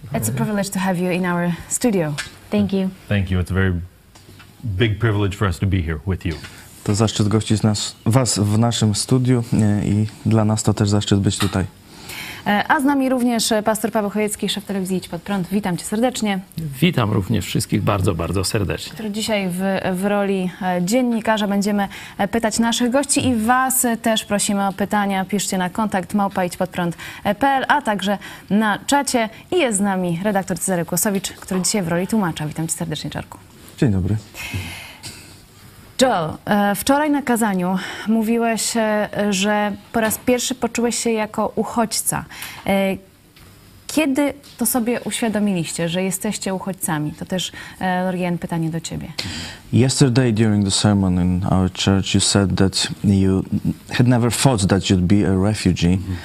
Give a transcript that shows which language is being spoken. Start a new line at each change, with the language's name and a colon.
English: It's a privilege to have you in our studio. Thank you. Thank you. It's a very big privilege for us to be here with you.
Polish: To zaszczyt gościć was w naszym studiu i dla nas to też zaszczyt być tutaj. A z nami również pastor Paweł Chojecki, szef telewizji Idź Pod Prąd. Witam cię serdecznie. Witam również wszystkich bardzo, bardzo serdecznie. Który dzisiaj w roli dziennikarza będziemy pytać naszych gości i was też prosimy o pytania. Piszcie na kontakt @idźpodprąd.pl, a także na czacie. I jest z nami redaktor Cezary Kłosowicz, który dzisiaj w roli tłumacza. Witam cię serdecznie, Czarku. Dzień dobry. Joel, wczoraj na kazaniu mówiłeś, że po raz pierwszy poczułeś się jako uchodźca. Kiedy to sobie uświadomiliście, że jesteście uchodźcami? To też, Lorien, pytanie do ciebie.
English: Yesterday during the sermon in our church you said that you had never thought that you'd be a refugee.